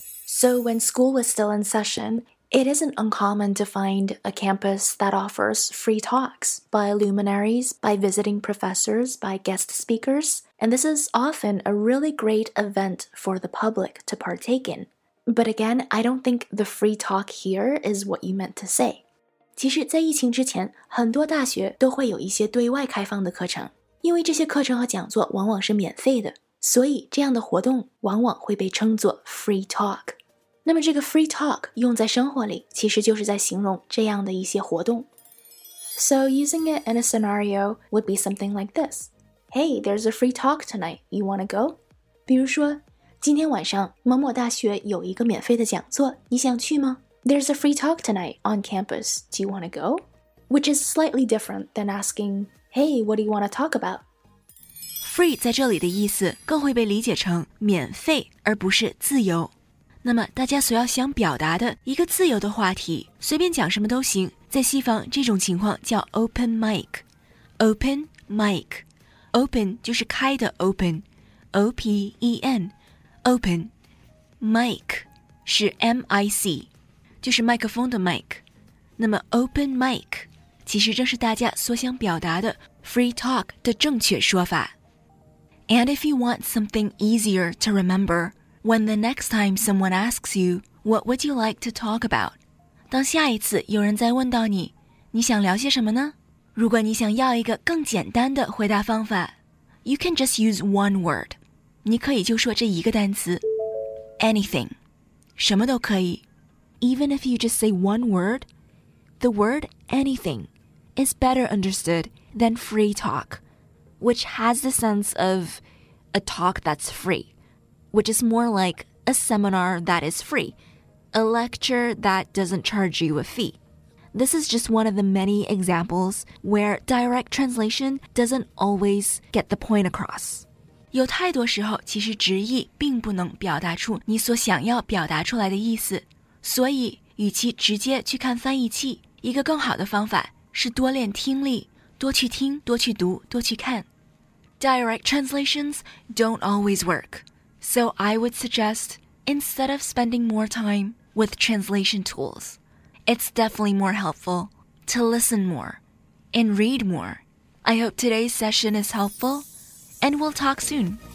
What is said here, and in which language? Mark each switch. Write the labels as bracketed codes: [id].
[en] So when school was still in session, it isn't uncommon to find a campus that offers free talks by luminaries, by visiting professors, by guest speakers, and this is often a really great event for the public to partake in. But again, I don't think the free talk here is what you meant to say. [zh] 其实在疫情之前很多大学都会有一些对外开放的课程因为这些课程和讲座往往是免费的所以这样的活动往往会被称作 free talk 那么这个 free talk 用在生活里其实就是在形容这样的一些活动 [en] So using it in a scenario would be something like this Hey, there's a free talk tonight, you wanna go? [zh] 比如说今天晚上某某大学有一个免费的讲座你想去吗 [en] There's a free talk tonight on campus. Do you want to go? Which is slightly different than asking, Hey, what do you want to talk about? [zh] Free 在这里的意思更会被理解成免费而不是自由。那么大家所要想表达的一个自由的话题，随便讲什么都行。在西方这种情况叫 open mic， open mic， open 就是开的 open， open， open mic 是 mic， 就是麦克风的 mic。那么 open mic 其实正是大家所想表达的 free talk 的正确说法。 [en] And if you want something easier to rememberWhen the next time someone asks you, what would you like to talk about? [zh] 当下一次有人再问到你，你想聊些什么呢？如果你想要一个更简单的回答方法， [en] you can just use one word. [zh] 你可以就说这一个单词， anything. 什么都可以。 [en] Even if you just say one word, the word anything is better understood than free talk, which has the sense of a talk that's free. Which is more like a seminar that is free, a lecture that doesn't charge you a fee. This is just one of the many examples where direct translation doesn't always get the point across. [zh] 有太多时候其实直译并不能表达出你所想要表达出来的意思。所以与其直接去看翻译器，一个更好的方法是多练听力，多去听，多去读，多去看。 [en] Direct translations don't always work. So I would suggest, instead of spending more time with translation tools, it's definitely more helpful to listen more and read more. I hope today's session is helpful, and we'll talk soon.